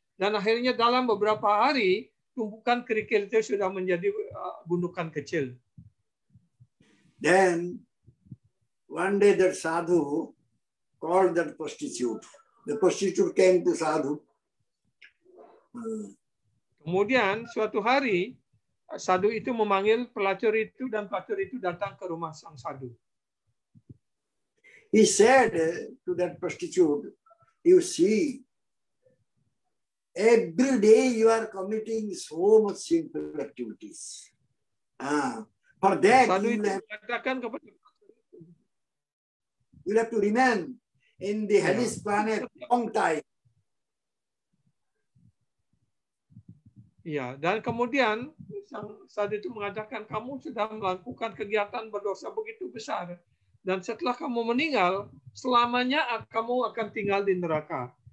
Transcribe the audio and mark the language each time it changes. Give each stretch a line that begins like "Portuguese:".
Indonesian: Dan akhirnya dalam beberapa hari, tumpukan kerikil itu sudah menjadi gundukan kecil.
English: Then, one day that sadhu called that prostitute. The prostitute came to sadhu.
Indonesian: Kemudian suatu hari sadhu itu memanggil pelacur itu dan pelacur itu datang ke rumah sang sadhu.
English: He said to that prostitute, "You see, every day you are committing so much sinful activities. For that,
Indonesian: sadhu itu katakan kepada
English: you have to remain in the hellish planet long time."
Indonesian: Ya, dan kemudian sang sadhu itu mengatakan, "Kamu sudah melakukan kegiatan berdosa begitu besar, dan setelah kamu meninggal, selamanya kamu akan tinggal di neraka."